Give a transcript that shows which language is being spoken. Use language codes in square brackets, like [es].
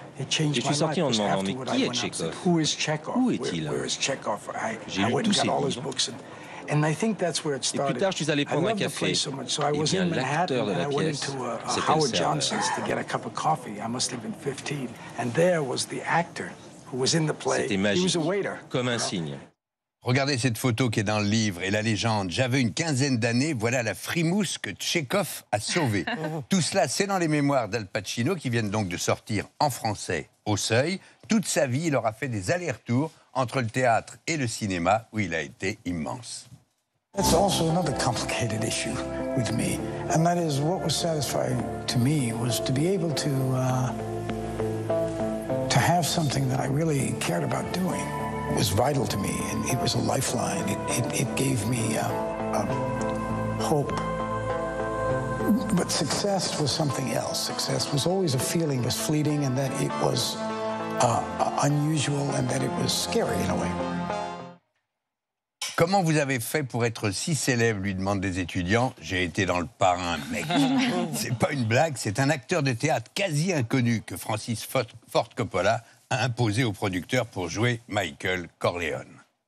[fr] Je suis sorti en demandant, mais qui est Tchekhov? Où est-il? J'ai lu tous ses livres. Et plus tard, je suis allé prendre un café. Et bien, l'acteur de la pièce, c'était Howard Johnson's [en] to get a cup of coffee. I must have been 15. And there was the actor who was in the play. [fr] C'était magique, comme un signe. Regardez cette photo qui est dans le livre et la légende. J'avais une quinzaine d'années, voilà la frimousse que Tchekhov a sauvée. Tout cela, c'est dans les mémoires d'Al Pacino qui viennent donc de sortir en français Au Seuil. Toute sa vie, il aura fait des allers-retours entre le théâtre et le cinéma, où il a été immense. [en] It's also another complicated issue with me, and that is what was satisfying to me was to be able to have something that I really cared about doing. It was vital to me, and it was a lifeline. It gave me a hope. But success was something else. Success was always a feeling, was fleeting, and that it was unusual and that it was scary in a way. [fr] Comment vous avez fait pour être si célèbre, lui demandent des étudiants. J'ai été dans Le Parrain, mec. C'est pas une blague, c'est un acteur de théâtre quasi inconnu que Francis Ford Coppola a imposé au producteur pour jouer Michael Corleone.